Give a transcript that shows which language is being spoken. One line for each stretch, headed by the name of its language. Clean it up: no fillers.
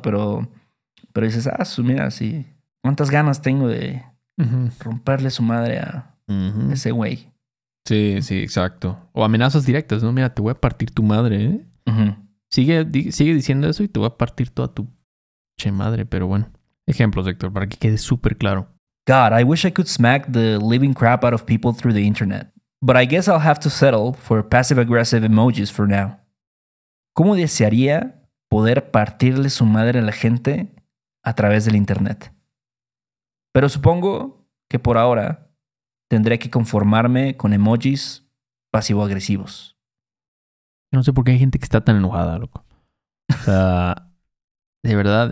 Spanish: Pero dices, mira, sí. ¿Cuántas ganas tengo de romperle su madre a ese güey? Sí, sí, exacto. O amenazas directas, ¿no? Mira, te voy a partir tu madre, ¿eh? Uh-huh. Sigue diciendo eso y te voy a partir toda tu che madre. Pero bueno, ejemplos, Héctor, para que quede súper claro.
English: God, I wish I could smack the living crap out of people through the internet. But I guess I'll have to settle for passive-aggressive emojis for now.
Spanish: ¿Cómo desearía poder partirle su madre a la gente a través del internet? Pero supongo que por ahora tendré que conformarme con emojis pasivo-agresivos. Yo no sé por qué hay gente que está tan enojada, loco. O sea, de verdad.